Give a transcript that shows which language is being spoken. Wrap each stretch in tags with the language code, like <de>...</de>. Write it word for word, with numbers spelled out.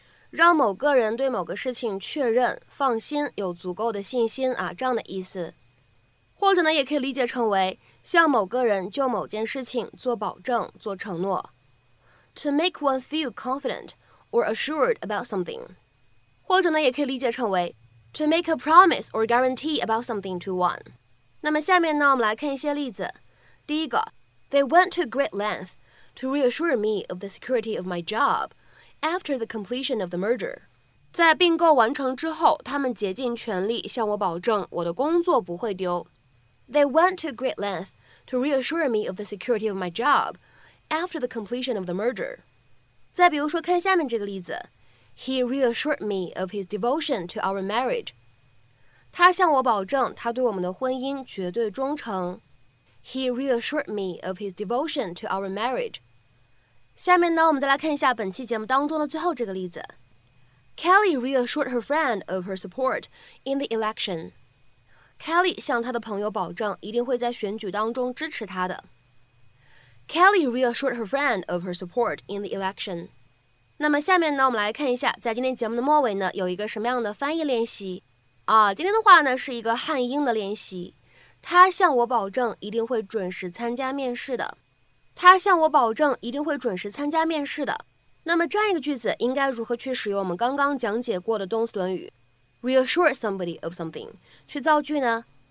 <zh>让某个人对某个事情确认、放心、有足够的信心啊，这样的意思。或者呢，也可以理解成为向某个人就某件事情做保证、做承诺。</zh> <en>To make one feel confident or assured about something.</en> <zh>或者呢，也可以理解成为</zh> <en>to make a promise or guarantee about something to one.</en> <zh>那么下面呢，我们来看一些例子。第一个</zh> <en>，They went to great lengths to reassure me of the security of my job. After the completion of the merger.</en> <zh>在并购完成之后，他们竭尽全力向我保证我的工作不会丢。</zh> <en>They went to great lengths to reassure me of the security of my job after the completion of the merger.</en> <zh>再比如说，看下面这个例子</zh> <en>，He reassured me of his devotion to our marriage.</en> <zh>他向我保证他对我们的婚姻绝对忠诚。</zh> <en>He reassured me of his devotion to our marriage.</en> <zh>下面呢，我们再来看一下本期节目当中的最后这个例子。</zh> <en>Kelly reassured her friend of her support in the election.</en> <zh>Kelly 向她的朋友保证一定会在选举当中支持她的。</zh> <en>Kelly reassured her friend of her support in the election.</en> <zh>那么下面呢，我们来看一下，在今天节目的末尾呢，有一个什么样的翻译练习啊？今天的话呢，是一个汉英的练习。他向我保证一定会准时参加面试的。他向我保证一定会准时参加面试的。那么这样一个句子应该如何去使用我们刚刚讲解过的动词短语 reassure somebody of something 去造句呢？</zh>